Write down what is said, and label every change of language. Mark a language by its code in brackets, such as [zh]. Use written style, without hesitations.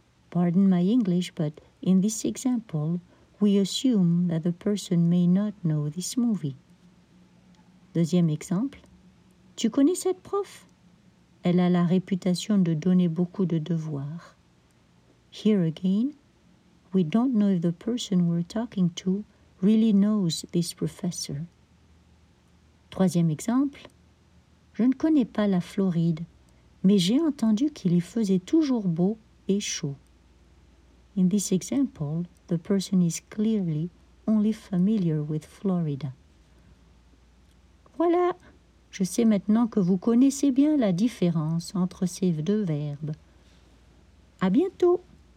[en] Pardon my English, but in this example, we assume that the person may not know this movie. [fr] Deuxième exemple. Tu connais cette prof? Elle a la réputation de donner beaucoup de devoirs. [en] Here again, we don't know if the person we're talking to really knows this professor. [fr] Troisième exemple. Je ne connais pas la Floride, mais j'ai entendu qu'il y faisait toujours beau et chaud. [en] In this example, the person is clearly only familiar with Florida. [fr] Voilà, je sais maintenant que vous connaissez bien la différence entre ces deux verbes. À bientôt!